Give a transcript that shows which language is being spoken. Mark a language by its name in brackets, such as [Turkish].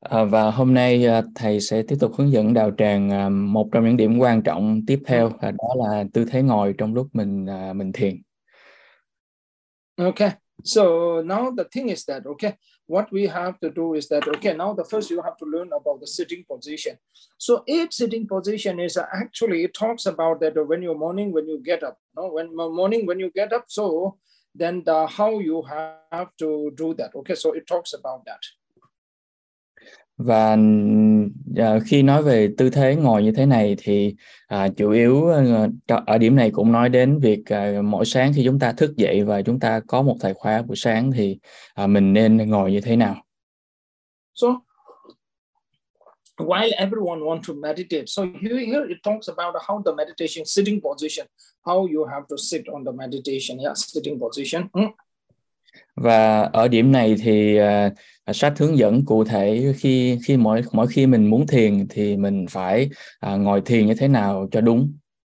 [Vietnamese] Và hôm nay thầy sẽ tiếp tục hướng dẫn đạo tràng một trong những điểm quan trọng tiếp theo, đó là tư thế ngồi trong lúc mình thiền. [English] Okay, so now the thing is that okay, what we have to do is that okay, now the first you have to learn about the sitting position. So each sitting position is actually it talks about that when you're morning, when you get up, no, when morning when you get up, so then the how you have to do that. Okay, so it talks about that. [Vietnamese] Và khi nói về tư thế ngồi như thế này thì chủ yếu ở điểm này cũng nói đến việc mỗi sáng khi chúng ta thức dậy và chúng ta có một thời khóa buổi sáng thì mình nên ngồi như thế nào. [English] So while everyone want to meditate, so here it talks about how the meditation sitting position, how you have to sit on the meditation, yeah, sitting position. [Vietnamese] Và ở điểm này thì sách hướng dẫn cụ thể khi mình muốn thiền thì mình phải ngồi thiền như thế nào cho đúng.